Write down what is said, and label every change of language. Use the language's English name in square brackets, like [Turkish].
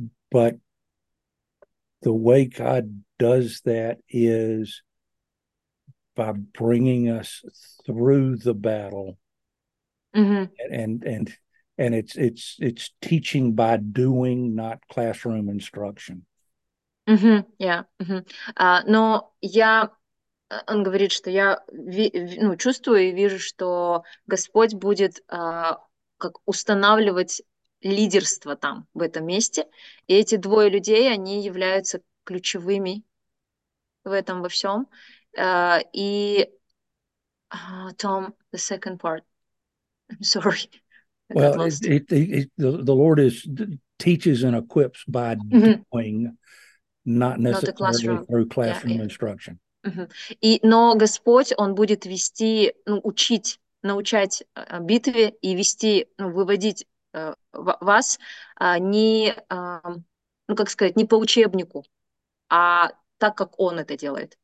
[English] But the way God does that is by bringing us through the battle. Mm-hmm. And it's teaching by doing, not classroom instruction. Mm-hmm. Yeah. Mm-hmm. [Russian] Но я, он говорит, что я ну, чувствую и вижу, что Господь будет как устанавливать лидерство там, в этом месте. И эти двое людей, они являются ключевыми в этом во всем. [English] И Tom, the second part. I'm sorry. Well, the Lord is teaches and equips by doing, mm-hmm. not necessarily through classroom instruction. Mm-hmm. [Russian] И, но Господь, Он будет вести, ну, учить, научать битве и вести, ну, выводить вас не, ну, как сказать, не по учебнику, а так, как Он это делает.